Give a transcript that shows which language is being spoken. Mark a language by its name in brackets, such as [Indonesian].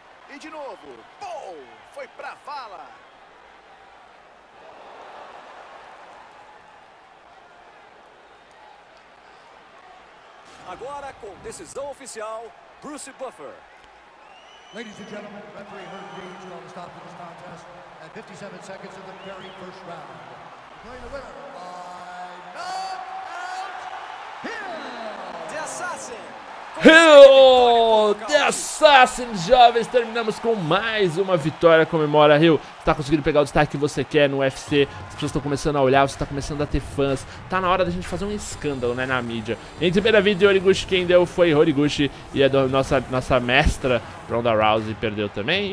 [Portuguese] E de novo, Paul foi pra vala. Agora com decisão oficial, Bruce Buffer. [English] Ladies and gentlemen, referee Herb Reed on the stop of this contest at 57 seconds of the very first round. Playing the winner by knockout, The Assassin. [Portuguese] Hill, The Assassin, jovens, terminamos com mais uma vitória. Comemora, Hill, você tá conseguindo pegar o destaque que você quer no UFC. As pessoas estão começando a olhar, você tá começando a ter fãs. Tá na hora da gente fazer um escândalo, né, na mídia. Entre Benavides e Horiguchi, quem deu foi Horiguchi. E a nossa mestra, Ronda Rousey, perdeu também.